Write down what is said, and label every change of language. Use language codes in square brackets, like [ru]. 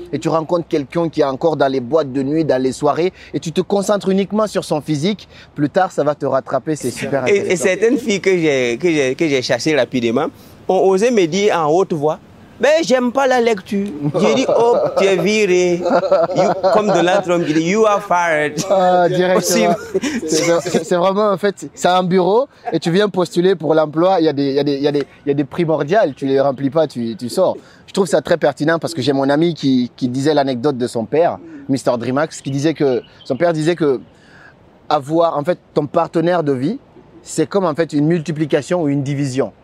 [fr] Et tu rencontres quelqu'un qui est encore dans les boîtes de nuit, dans les soirées, et tu te concentres uniquement sur son physique. Plus tard, ça va te rattraper, c'est super intéressant. Et certaines filles que j'ai chassées rapidement ont osé me dire en haute voix, ben, j'aime pas la lecture. J'ai dit, oh, tu es viré. Comme Donald Trump, il dit, [en] you are fired. [fr] Ah, directement. C'est vraiment, en fait, c'est un bureau et tu viens postuler pour l'emploi. Il y a des primordiales. Tu les remplis pas, tu sors. Je trouve ça très pertinent parce que j'ai mon ami qui disait l'anecdote de son père, Mr. Dreamax, qui disait que, son père disait que avoir, en fait, ton partenaire de vie, c'est comme, en fait, une multiplication ou une division.